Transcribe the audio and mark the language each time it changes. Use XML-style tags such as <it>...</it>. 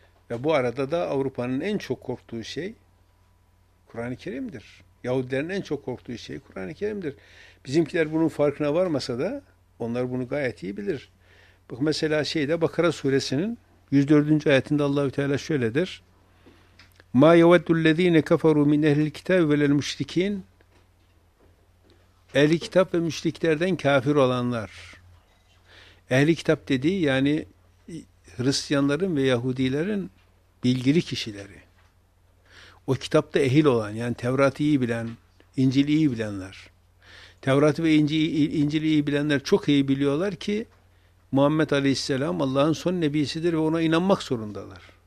<tr>Ve bu arada da Avrupa'nın en çok korktuğu şey Kur'an-ı Kerim'dir. Yahudilerin en çok korktuğu şey Kur'an-ı Kerim'dir. Bizimkiler bunun farkına varmasa da onlar bunu gayet iyi bilir. Bak mesela şeyde Bakara suresinin 104. ayetinde Allahü Teala şöyle der.</tr> <ar>مَا يَوَدُّ الَّذ۪ينَ كَفَرُوا مِنْ اَهْلِ الْكِتَابِ وَلَا الْمُشْرِك۪ينَ</ar> <tr>Ehli kitap ve müşriklerden kafir olanlar. Ehli kitap dediği yani Hristiyanların ve Yahudilerin bilgili kişileri. O kitapta ehil olan yani Tevrat'ı iyi bilen, İncil'i iyi bilenler. Tevrat ve İncil'i iyi bilenler çok iyi biliyorlar ki Muhammed Aleyhisselam Allah'ın son nebisidir ve ona inanmak zorundalar.</tr>